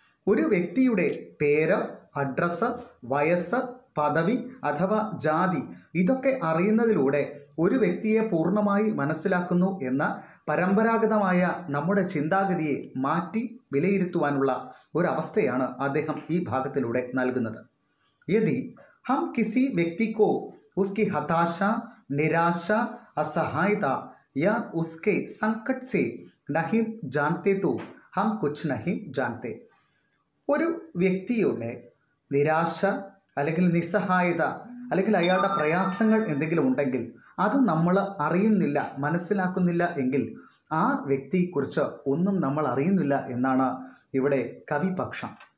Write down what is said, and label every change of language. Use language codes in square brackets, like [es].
[ml] ഒരു വ്യക്തിയുടെ പേര് അഡ്രസ്സ് വയസ്സ് പദവി അഥവാ ജാതി ഇതൊക്കെ അറിയുന്നതിലൂടെ ഒരു വ്യക്തിയെ പൂർണ്ണമായി മനസ്സിലാക്കുന്നു എന്ന പരമ്പരാഗതമായ നമ്മുടെ ചിന്താഗതിയെ മാറ്റി വിലയിരുത്തുവാനുള്ള ഒരവസ്ഥയാണ് അദ്ദേഹം ഈ ഭാഗത്തിലൂടെ നൽകുന്നത്. [hi] യദി ഹം കിസി വ്യക്തിക്കോ ഉസ്കി ഹതാശ निराश असहायता या उसके संकट से नहीं जानते तो हम कुछ नहीं जानते। [ml] ഒരു വ്യക്തിയുടെ നിരാശ അല്ലെങ്കിൽ നിസ്സഹായത അല്ലെങ്കിൽ അയാളുടെ പ്രയാസങ്ങൾ എന്തെങ്കിലും ഉണ്ടെങ്കിൽ അത് നമ്മൾ അറിയുന്നില്ല, മനസ്സിലാക്കുന്നില്ല എങ്കിൽ ആ വ്യക്തിയെക്കുറിച്ച് ഒന്നും നമ്മൾ അറിയുന്നില്ല എന്നാണ് ഇവിടെ കവിപക്ഷം.